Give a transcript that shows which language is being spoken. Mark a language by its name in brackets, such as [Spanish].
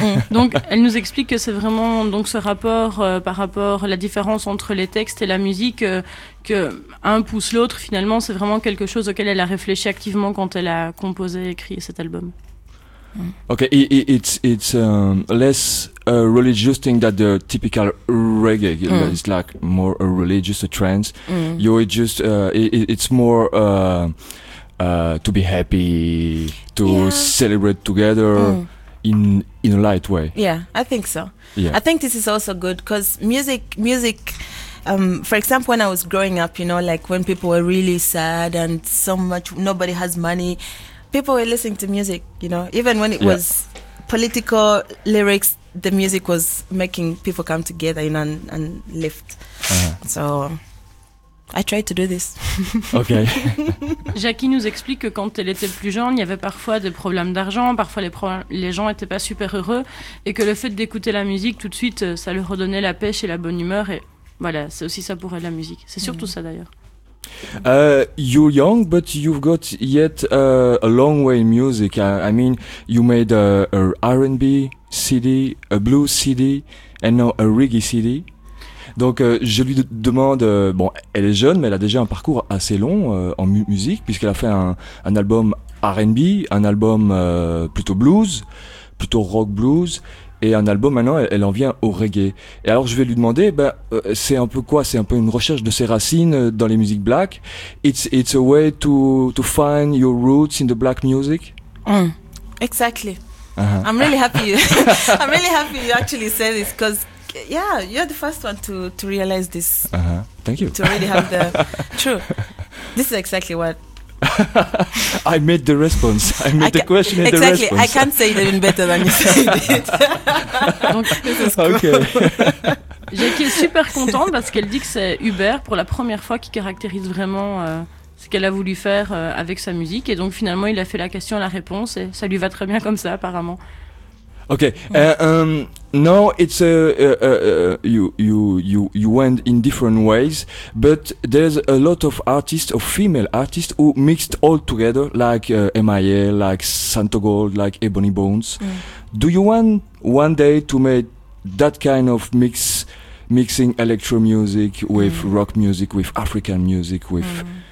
[French] Donc, elle nous explique que c'est vraiment donc ce rapport par rapport à la différence entre les textes et la musique que un pousse l'autre. Finalement, c'est vraiment quelque chose auquel elle a réfléchi activement quand elle a composé et écrit cet album. [English] Okay, it's less religious thing than the typical reggae. It's like more a religious a trance. It's more to be happy, to celebrate together in a light way. Yeah, I think so. Yeah. I think this is also good because music. For example, when I was growing up, you know, like when people were really sad and so much nobody has money. People were listening to music, you know, even when it was political lyrics, the music was making people come together, you know, and lift. So I tried to do this. Okay. [French] Jackie nous explique que quand elle était plus jeune, il y avait parfois des problèmes d'argent, parfois les gens n'étaient pas super heureux, et que le fait d'écouter la musique tout de suite, ça leur redonnait la pêche et la bonne humeur, et voilà, c'est aussi ça pour elle, la musique. C'est surtout ça d'ailleurs. [English] You're young, but you've got yet a long way in music. I mean, you made a R&B CD, a blues CD, and now a reggae CD. [French] Donc, je lui demande, bon, elle est jeune, mais elle a déjà un parcours assez long en musique, puisqu'elle a fait un album R&B, un album plutôt blues, plutôt rock blues. Et un album, maintenant, elle en vient au reggae. Et alors, je vais lui demander, c'est un peu quoi? C'est un peu une recherche de ses racines dans les musiques black. [English] It's a way to find your roots in the black music. Exactly. Uh-huh. I'm really happy. I'm really happy you actually say this because, yeah, you're the first one to realize this. Uh-huh. Thank you. To really have the true. This is exactly what. I made the response. I made the question and exactly, the response. Exactly. I can't say it even better than you said it. Donc, this is cool. Okay. [French] Jackie est super contente parce qu'elle dit que c'est Hubert pour la première fois qui caractérise vraiment ce qu'elle a voulu faire avec sa musique. Et donc finalement, il a fait la question, la réponse, et ça lui va très bien comme ça, apparemment. [English] Okay. Now it's you went in different ways, but there's a lot of artists, of female artists, who mixed all together, like M.I.A., like Santo Gold, like Ebony Bones. Do you want one day to make that kind of mixing electro music with rock music, with African music, with?